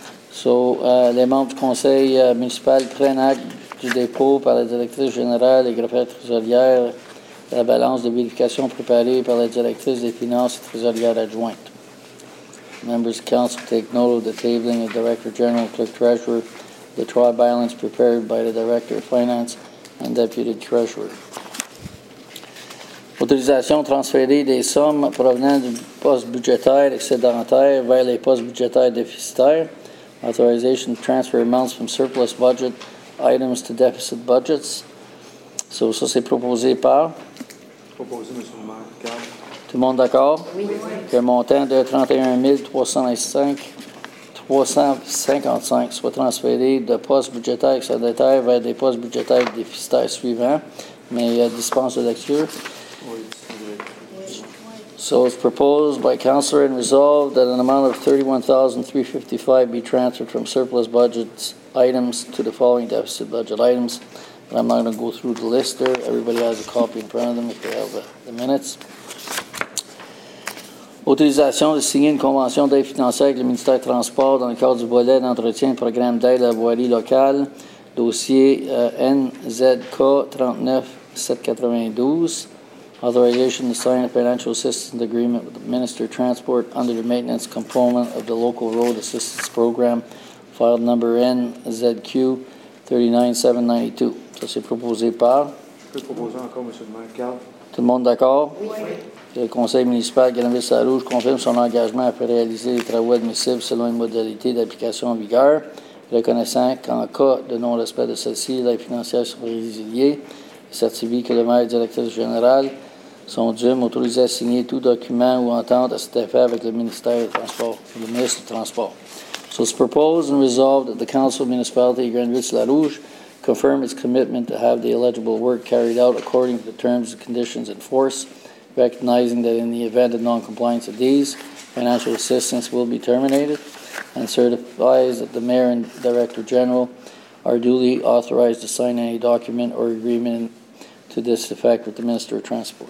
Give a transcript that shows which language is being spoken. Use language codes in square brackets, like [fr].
[fr] So, les membres du conseil municipal prennent acte du dépôt par la directrice générale et greffière trésorière, la balance de vérification préparée par la directrice des finances et trésorière adjointe. [en] Members of Council take note of the tabling of Director General Clerk Treasurer, the trial balance prepared by the Director of Finance and Deputy Treasurer. [fr] Autorisation transférée des sommes provenant du poste budgétaire excédentaire vers les postes budgétaires déficitaires. [en] Authorization to transfer amounts from surplus budget items to deficit budgets. [fr] So, ça, c'est proposé par? Proposé, M. le maire. Tout le monde d'accord? Oui. Le montant de 31 305,355 soit transféré de postes budgétaires excédentaires vers des postes budgétaires déficitaires suivants. Mais il y a dispense de lecture. [en] So, it's proposed by Councilor and resolved that an amount of $31,355 be transferred from surplus budget items to the following deficit budget items. But I'm not going to go through the list there. Everybody has a copy in front of them if they have the minutes. [fr] Autorisation de signer une convention d'aide financière avec le ministère des Transports dans le cadre du volet d'entretien du programme d'aide à la voirie locale, dossier NZK39792. [en] Authorization to sign a financial assistance agreement with the Minister of Transport under the maintenance component of the Local Road Assistance Program, file number NZQ39792. [fr] Ça, c'est proposé par? Je peux proposer encore, M. le maire, Carl. Tout le monde d'accord? Oui. Le conseil municipal de Granville-Sarrouge confirme son engagement à faire réaliser les travaux admissibles selon une modalité d'application en vigueur, reconnaissant qu'en cas de non-respect de celle-ci, l'aide financière sera résiliée. Certifie que le maire et directeur général sont dûment autorisés à signer tout document ou entente à cet effet avec le ministère des Transports, le ministre des Transports. [en] So it's proposed and resolved that the Council of Municipality of Granville-Sarrouge confirm its commitment to have the eligible work carried out according to the terms and conditions in force, recognizing that in the event of non-compliance of these, financial assistance will be terminated, and certifies that the mayor and director general are duly authorized to sign any document or agreement to this effect with the Minister of Transport.